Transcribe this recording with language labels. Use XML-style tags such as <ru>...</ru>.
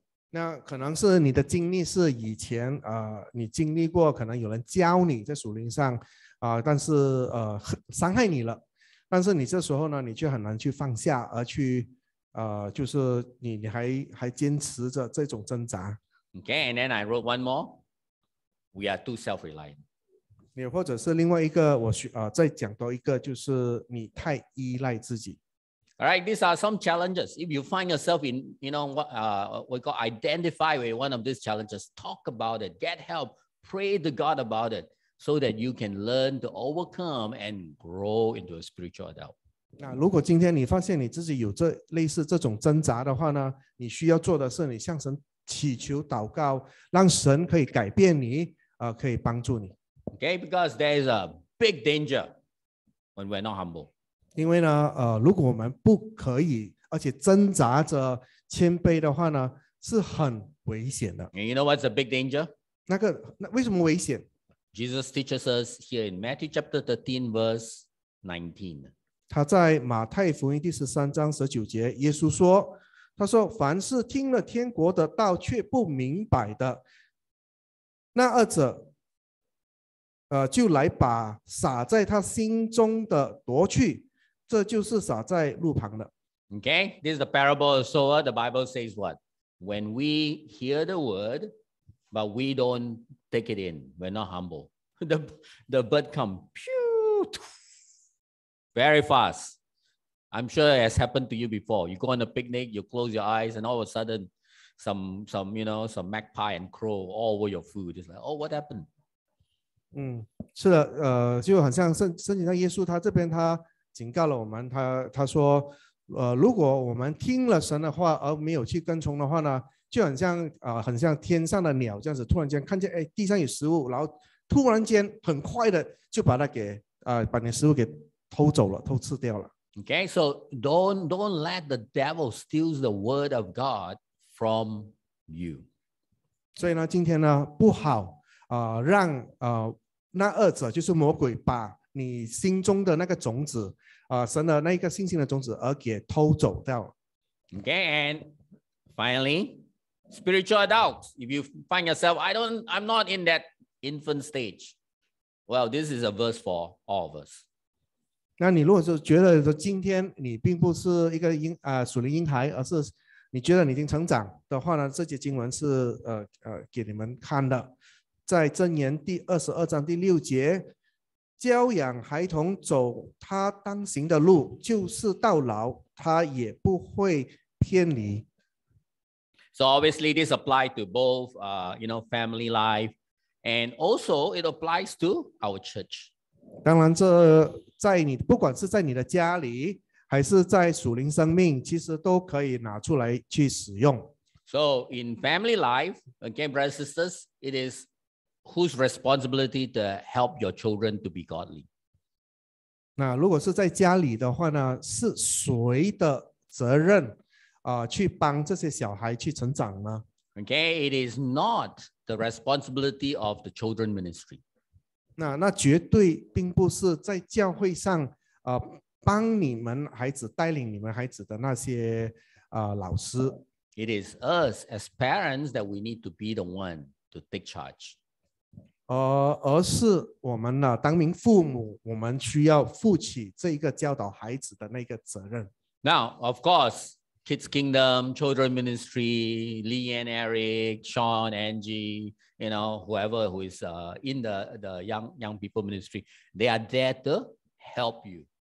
<zh>那可能是你的经历是以前你经历过可能有人教你在属灵上但是伤害你了。但是你这时候呢你就很难去放下而去就是你还坚持着这种挣扎。</zh> <en>Okay, and then I wrote one more. We are too self-reliant.</en> <zh>你或者是另外一个，再讲多一个，就是你太依赖自己。</zh> <en>All right, these are some challenges. If you find yourself in, you know, we call identify with one of these challenges, talk about it, get help, pray to God about it, so that you can learn to overcome and grow into a spiritual adult.</en> <zh>那如果今天你发现你自己有这类似这种挣扎的话呢，你需要做的是你向神祈求祷告，让神可以改变你，可以帮助你。</zh> <en>Okay, because there is a big danger when we're not humble.</en> <zh>因为呢，如果我们不可以，而且挣扎着谦卑的话呢，是很危险的。</zh> <en>And you know what's a big danger?</en> <zh>那为什么危险</zh> <en>？Jesus teaches us here in Matthew chapter 13 verse 19.</en> <zh>他在马太福音第十三章十九节，耶稣说：“他说，凡是听了天国的道却不明白的，那二者，就来把撒在他心中的夺去，这就是撒在路旁的。”</zh> <en>Okay, this is the parable of the sower. The Bible says what? When we hear the word, but we don't take it in, we're not humble. The bird come, pew. Very fast. I'm sure it has happened to you before. You go on a picnic, you close your eyes, and all of a sudden, some, you know, some magpie and crow all over your food. It's like, oh, what happened?</en> <zh>是的，就很像圣经上耶稣他这边他警告了我们，他说，如果我们听了神的话而没有去跟从的话呢，就很像很像天上的鸟这样子，突然间看见地上有食物，然后突然间很快的就把它给把你食物给偷走了，偷吃掉了。</zh> <en>Okay, so don't let the devil steal the word of God from you.</en> <zh>所以呢，今天呢，不好让那恶者就是魔鬼把你心中的那个种子、神的那个信心的种子而给偷走掉。</zh> <en>Okay, and finally, spiritual adults, if you find yourself, I'm not in that infant stage. Well, this is a verse for all of us.</en> <zh>那你如果是觉得说今天你并不是一个属灵婴孩，而是你觉得你已经成长的话呢，这节经文是给你们看的。在箴言第22章第6节，教养孩童走他当行的路，就是到老他也不会偏离。</zh> <en>So obviously this applies to both family life, and also it applies to our church.</en> <zh>当然这在你不管是在你的家里还是在属灵生命，其实都可以拿出来去使用。</zh> <en>So in family life, again brothers and sisters, it isWhose responsibility to help your children to be godly?</en> <zh>那如果是在家里的话呢，是谁的责任去帮这些小孩去成长呢？</zh> <en>Okay, it is not the responsibility of the children ministry.</en> <zh>那绝对并不是在教会上帮你们孩子带领你们孩子的那些老师。</zh> <en>It is us as parents that we need to be the one to take charge.</en> <zh>而是我们呢，当名父母，我们需要负起这一个教导孩子的那个责任。</zh> <en>Now, of course, Kids Kingdom, Children Ministry, Lee and Eric, Sean, Angie, whoever who is in the young people ministry, they are there to help you.</en>